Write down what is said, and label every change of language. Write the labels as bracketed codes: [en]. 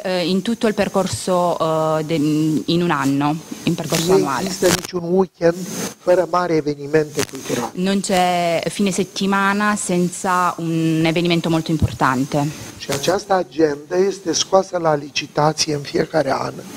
[it] In tutto il percorso in un anno, in percorso annuale. [ro] Nu există niciun weekend fără mari evenimente culturali. [it] Non c'è fine settimana senza un evento molto importante. [ro] Și această agendă este scoasă la licitație în fiecare an.